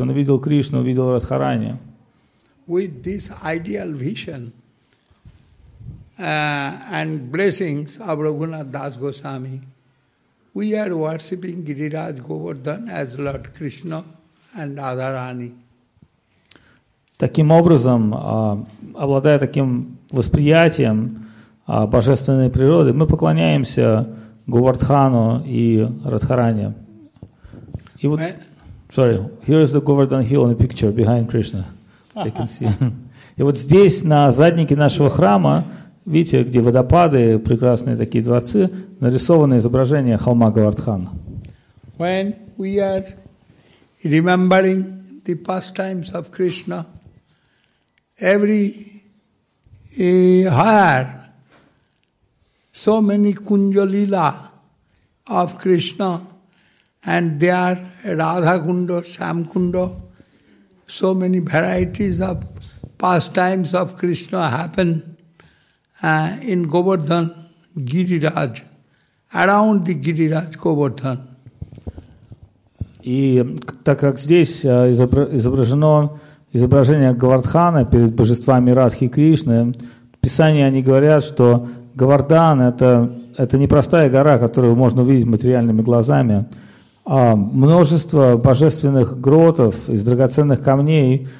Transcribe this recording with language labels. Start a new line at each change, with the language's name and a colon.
Russian: Он увидел Кришну, увидел Радхарани.
English: With this ideal vision and blessings of Raghunath Das Goswami, we are worshipping Giriraj Govardhan as Lord Krishna and Radharani.
Russian: Таким образом, обладая таким восприятием божественной природы, мы поклоняемся Говардхану и Радхарани. И вот,
English: sorry, here is the Govardhan Hill in the picture behind Krishna. I can see.
Russian: И вот здесь, на заднике нашего храма, видите, где водопады, прекрасные такие дворцы, нарисовано изображение холма Говардхана.
English: When we are remembering the pastimes of Krishna, every hour, so many kunjalila of Krishna, and there Radha Kunda, Sam Kunda, so many varieties of pastimes of Krishna happen in Govardhan, Giriraj, around the Giriraj Govardhan.
Russian: И так как здесь изображено изображение Говардхана перед божествами Радхи и Кришны, в Писании они говорят, что Говардхан – это не простая гора, которую можно увидеть материальными глазами, а множество божественных гротов из драгоценных камней.